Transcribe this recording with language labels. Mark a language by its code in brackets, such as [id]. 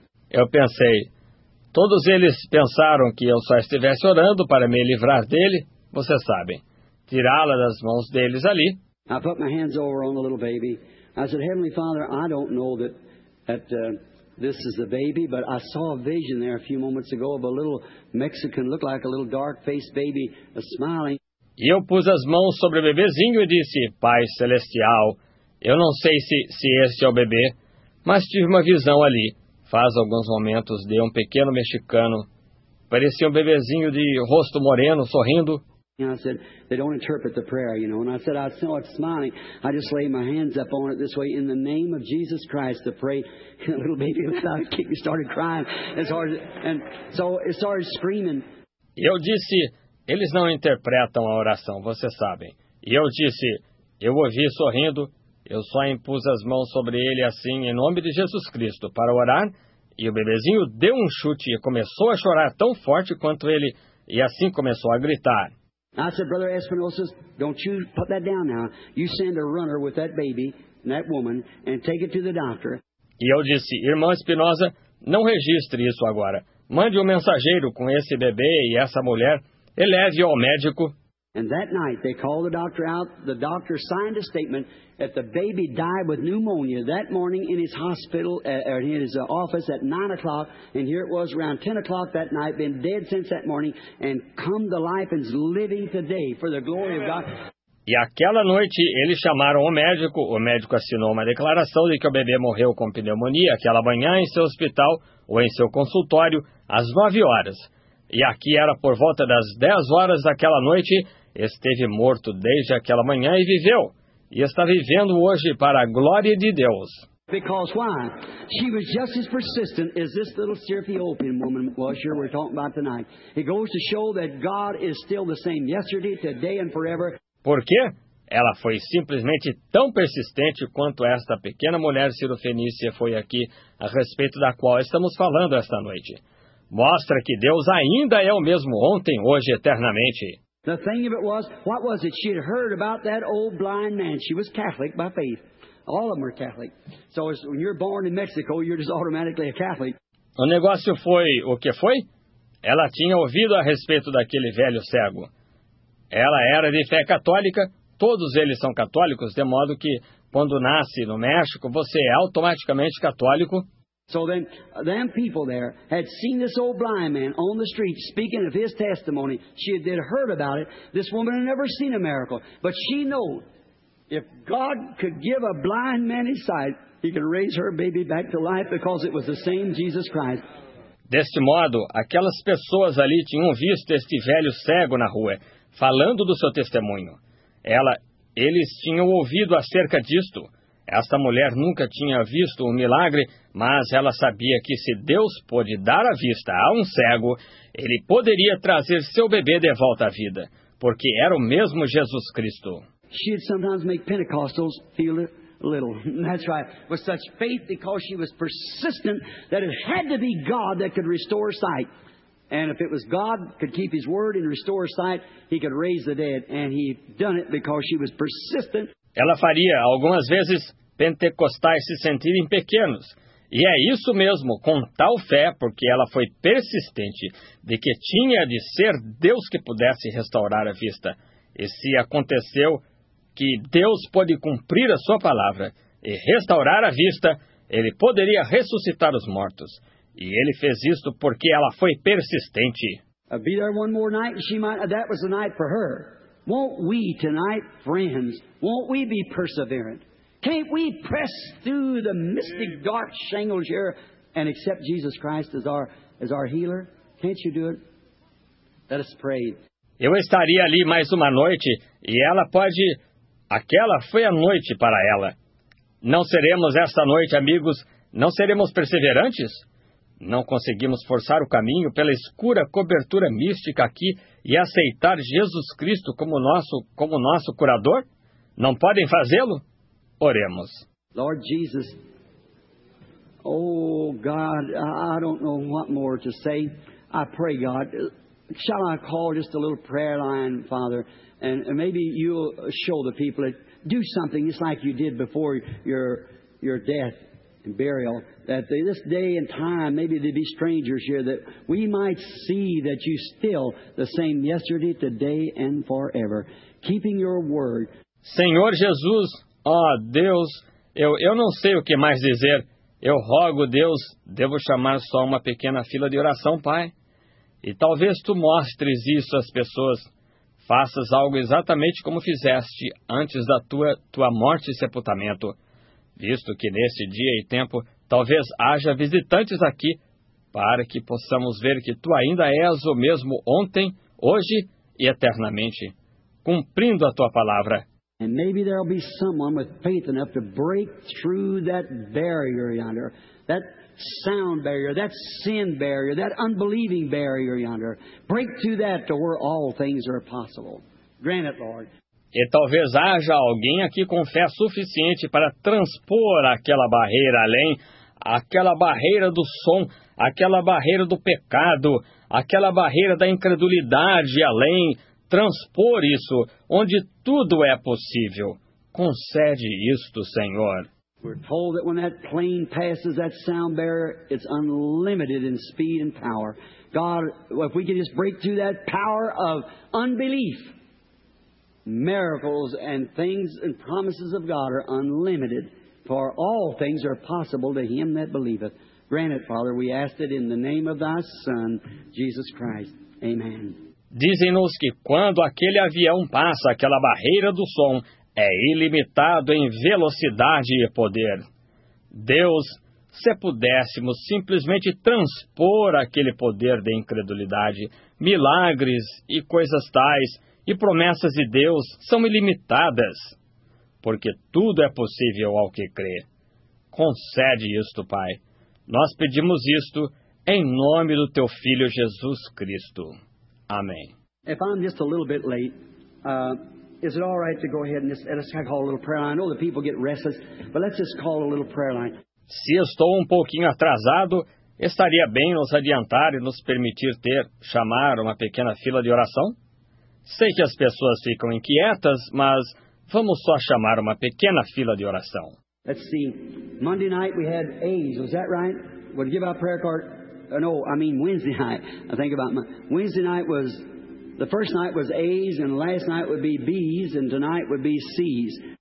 [pt] Eu pensei, todos eles pensaram que eu só estivesse orando para me livrar dele, vocês sabem, tirá-la das mãos deles ali. [en] I put my hands over on the little baby. I said, Heavenly Father, I don't know that this is the baby, but I saw a vision there a few moments ago of a little Mexican, looked like a little dark-faced baby, smiling. [pt] E eu pus as mãos sobre o bebezinho e disse, Pai Celestial, eu não sei se este é o bebê, mas tive uma visão ali, faz alguns momentos, de um pequeno mexicano. Parecia um bebezinho de rosto moreno, sorrindo. [en] And I said, they don't interpret the prayer, you know. And I said, I saw it smiling. I just laid my hands up on it this way, in the name of Jesus Christ, to pray. And the little baby started crying as hard as... And so it started screaming. [pt] Eu disse, eles não interpretam a oração, vocês sabem. E eu disse, eu ouvi sorrindo, eu só impus as mãos sobre ele assim, em nome de Jesus Cristo, para orar. E o bebezinho deu um chute e começou a chorar tão forte quanto ele, e assim começou a gritar. [en] I said, Brother Espinosa, don't you put that down now. You send a runner with that baby and that woman and take it to the doctor. [pt] E eu disse, irmão Espinosa, não registre isso agora. Mande um mensageiro com esse bebê e essa mulher. Eleve-o ao médico. [en] And that night they called the doctor out. The doctor signed a statement that the baby died with pneumonia that morning in his hospital, in his office at 9 o'clock. And here it was around 10 o'clock that night, been dead since that morning, and come to life and is living today for the glory of God. [pt] E aquela noite eles chamaram o médico assinou uma declaração de que o bebê morreu com pneumonia aquela manhã em seu hospital ou em seu consultório às 9 horas. E aqui era por volta das 10 horas daquela noite, esteve morto desde aquela manhã e viveu. E está vivendo hoje para a glória de Deus. [en] Because why? She was just as persistent as this little Ethiopian woman was here we're talking about tonight. It goes to show that God is still the same yesterday, today and forever. [pt] Por quê? Ela foi simplesmente tão persistente quanto esta pequena mulher sirofenícia foi aqui, a respeito da qual estamos falando esta noite. Mostra que Deus ainda é o mesmo ontem, hoje e eternamente. [en] The thing of it was, what was it? She had heard about that old blind man. She was Catholic by faith. All of them are Catholic. So when you're born in Mexico, you're just automatically a Catholic. [pt] O negócio foi o que foi? Ela tinha ouvido a respeito daquele velho cego. Ela era de fé católica. Todos eles são católicos, de modo que quando nasce no México, você é automaticamente católico. [en] So then, them people there had seen this old blind man on the street speaking of his testimony. She had heard about it. This woman had never seen a miracle. But she knew if God could give a blind man his sight, he could raise her baby back to life because it was the same Jesus Christ. [pt] Deste modo, aquelas pessoas ali tinham visto este velho cego na rua, falando do seu testemunho. Eles tinham ouvido acerca disto. Esta mulher nunca tinha visto um milagre, mas ela sabia que se Deus pôde dar a vista a um cego, ele poderia trazer seu bebê de volta à vida, porque era o mesmo Jesus Cristo. [en] She'd sometimes make Pentecostals feel a little. That's right. With such faith, because she was persistent, that it had to be God that could restore sight. And if it was God could keep his word and restore sight, he could raise the dead. And he done it because she was persistent. [pt] Ela faria, algumas vezes, pentecostais se sentirem pequenos. E é isso mesmo, com tal fé, porque ela foi persistente, de que tinha de ser Deus que pudesse restaurar a vista. E se aconteceu que Deus pôde cumprir a sua palavra e restaurar a vista, ele poderia ressuscitar os mortos. E ele fez isto porque ela foi persistente. [en] Be there one more night, she might, that was the night for her. Won't we tonight, friends, won't we be perseverant? Can't we press through the mystic dark shingles here and accept Jesus Christ as our healer? Can't you do it? Let us pray. [pt] Eu estaria ali mais uma noite e ela pode... Aquela foi a noite para ela. Não seremos esta noite, amigos, não seremos perseverantes? Não conseguimos forçar o caminho pela escura cobertura mística aqui e aceitar Jesus Cristo como nosso curador? Não podem fazê-lo? Oremos. [en] Lord Jesus, oh God, I don't know what more to say. I pray, God, shall I call just a little prayer line, Father, and maybe you'll show the people that do something just like you did before your death and burial, that this day and time, maybe there'd be strangers here, that we might see that you still the same yesterday, today, and forever, keeping your word. [pt] Senhor Jesus, ó Deus, eu não sei o que mais dizer. Eu rogo, Deus, devo chamar só uma pequena fila de oração, Pai. E talvez tu mostres isso às pessoas. Faças algo exatamente como fizeste antes da tua morte e sepultamento. Visto que nesse dia e tempo, talvez haja visitantes aqui, para que possamos ver que tu ainda és o mesmo ontem, hoje e eternamente, cumprindo a tua palavra. [en] And maybe there'll be someone with faith enough to break through that barrier yonder, that sound barrier, that sin barrier, that unbelieving barrier yonder. Break through that to where all things are possible. Grant it, Lord. [pt] E talvez haja alguém aqui com fé suficiente para transpor aquela barreira além, aquela barreira do som, aquela barreira do pecado, aquela barreira da incredulidade além. Transpor isso, onde tudo é possível. Concede isto, Senhor. [en] We're told that when that plane passes that sound barrier, it's unlimited in speed and power. God, if we could just break through that power of unbelief, miracles and things and promises of God are unlimited, for all things are possible to him that believeth. Grant it, Father, we ask it in the name of thy Son, Jesus Christ. Amen. [pt] Dizem-nos que quando aquele avião passa aquela barreira do som, é ilimitado em velocidade e poder. Deus, se pudéssemos simplesmente transpor aquele poder de incredulidade, milagres e coisas tais, e promessas de Deus são ilimitadas, porque tudo é possível ao que crê. Concede isto, Pai. Nós pedimos isto em nome do Teu Filho Jesus Cristo. Amém. [en] If I'm just a little bit late, is it all right to go ahead and let's call a little prayer line? I know the people get restless, but let's just call a little prayer line. [pt] Se estou um pouquinho atrasado, estaria bem nos adiantar e nos permitir chamar uma pequena fila de oração? Sei que as pessoas ficam inquietas, mas vamos só chamar uma pequena fila de oração. [en] Let's see. Monday night we had A's. Was that right? Would you give our prayer card? Wednesday night. I think about my Wednesday night was the first night was A's and last night would be B's and tonight would be C's.